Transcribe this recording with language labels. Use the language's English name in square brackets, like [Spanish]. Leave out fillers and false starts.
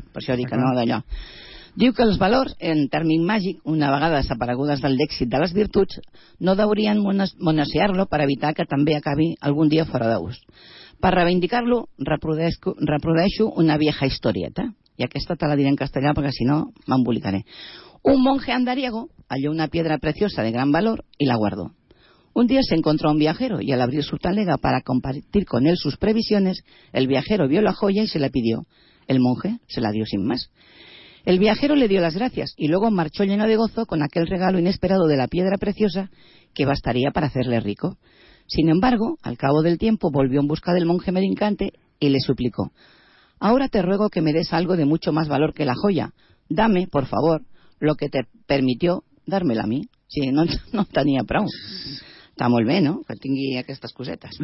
[Catalan] Per això dic que no, d'allò. Diu que els valors, en tèrmic màgic, una vegada desaparegudes del lèxic de les virtuts, no deurien monasear-lo per evitar que també acabi algun dia fora d'ús. Per reivindicar-lo, reprodueixo una vieja historieta. I aquesta te la diré en castellà perquè si no m'embolicaré. [Spanish] Un monje andariego halló una piedra preciosa de gran valor y la guardó. Un día se encontró un viajero y al abrir su talega para compartir con él sus previsiones, el viajero vio la joya y se la pidió. El monje se la dio sin más. El viajero le dio las gracias y luego marchó lleno de gozo con aquel regalo inesperado de la piedra preciosa que bastaría para hacerle rico. Sin embargo, al cabo del tiempo volvió en busca del monje mendicante y le suplicó: «Ahora te ruego que me des algo de mucho más valor que la joya. Dame, por favor, lo que te permitió dármela a mí». [Catalan] Sí, no tenia prou. Està molt bé, no?, que tingui aquestes cosetes.